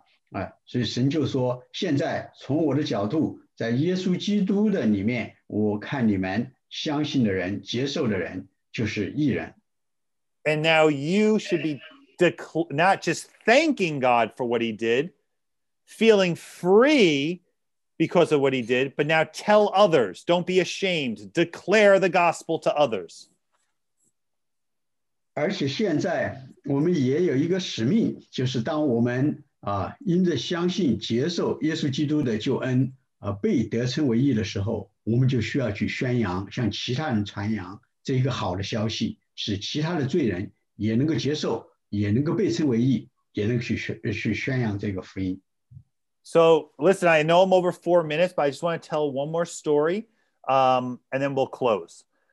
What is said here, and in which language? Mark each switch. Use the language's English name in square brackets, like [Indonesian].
[Chinese] 所以第二个就是神，他也宣告，就是我们就是义的了，所以神就说，现在从我的角度， 在耶稣基督的里面，我看你们相信的人、接受的人就是义人。 [English] And now you should be not just thanking God for what he did, feeling free because of what he did, but now tell others. Don't be ashamed. Declare the gospel to others. [Chinese] 而且现在我们也有一个使命，就是当我们因着相信接受耶稣基督的救恩。被得称为义的时候，我们就需要去宣扬，向其他人传扬这一个好的消息，使其他的罪人也能够接受，也能够被称为义，也能去宣扬这个福音。 [English] So listen, I know I'm over 4 minutes, but I just want to tell one more story, and then we'll close.